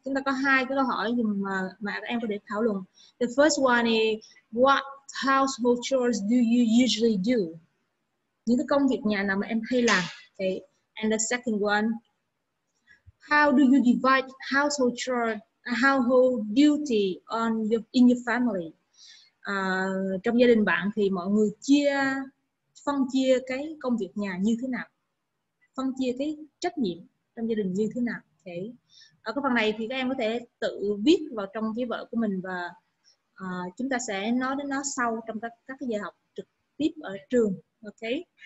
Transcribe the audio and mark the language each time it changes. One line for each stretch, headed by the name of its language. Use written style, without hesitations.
Vietnamese: Chúng ta có hai cái câu hỏi mà các em có thể thảo luận.
English: The first one is what household chores do you usually do?
Vietnamese: Những cái công việc nhà nào mà em hay làm? Okay.
English: And the second one, how do you divide household chores? Household duty on your in your family.
Vietnamese: Trong gia đình bạn thì mọi người phân chia cái công việc nhà như thế nào? Phân chia cái trách nhiệm trong gia đình như thế nào? Thế okay. Ở cái phần này thì các em có thể tự viết vào trong cái vở của mình và chúng ta sẽ nói đến nó sau trong các cái giờ học trực tiếp ở trường. Okay.